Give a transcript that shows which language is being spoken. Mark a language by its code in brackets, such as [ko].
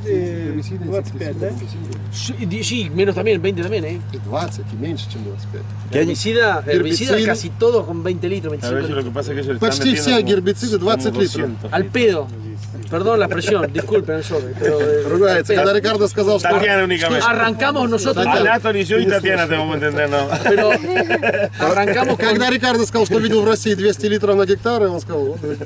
[ru] инсектициды 25, да? [es] Sí, menos 20 también, [ru] 20, меньше, чем 25. [es] Гербицида, casi todo con 20 litros, 25. [ru] Почти все гербициды 20 литров. [es] Al pedo. Perdón la expresión, disculpen, [ru] ругается. Когда Ricardo сказал, что... [es] Татьяна únicamente. Arrancamos nosotros... Татьяна, ni yo y Татьяна, tenemos que entender, no. Arrancamos... [ru] Когда Ricardo сказал, что видел в России 200 литров на гектар, он сказал...